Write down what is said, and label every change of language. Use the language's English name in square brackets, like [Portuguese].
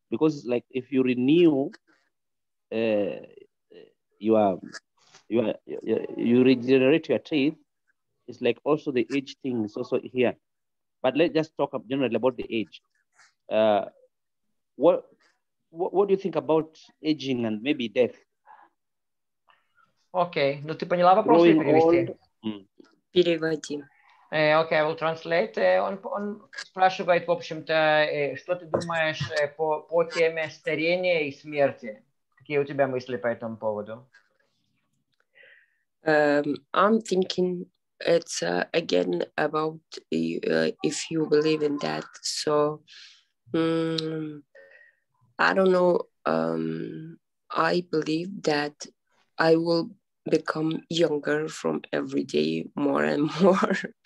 [English] Because it's like if you renew, you regenerate your teeth, it's like also the age thing is also here. But let's just talk generally about the age. What do you think about aging and maybe death? [Russian] Okay, ну ты поняла вопрос или переводи? [English] Okay, I will translate. [Russian] Он спрашивает, в общем-то, что ты думаешь по теме старения и смерти? Какие у тебя мысли по этому поводу? [English] I'm thinking it's again about if you believe in that. So I don't know. I believe that I will become younger from every day more and more.